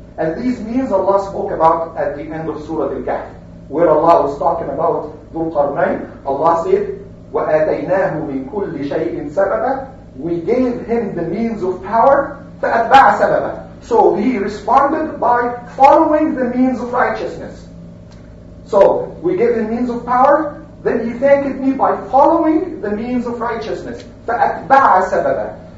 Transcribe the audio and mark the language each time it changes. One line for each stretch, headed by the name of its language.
English: And these means Allah spoke about at the end of Surah Al-Kahf, where Allah was talking about Dhul-Qarnayn. Allah said,
Arabic: وَآتَيْنَاهُ مِن كُلِّ شَيْءٍ سَبَبًا.
English: We gave him the means of power. So he responded by following the means of righteousness. So we gave him means of power, then he thanked me by following the means of righteousness.
Arabic: فَأَتْبَعَ سَبَبًا.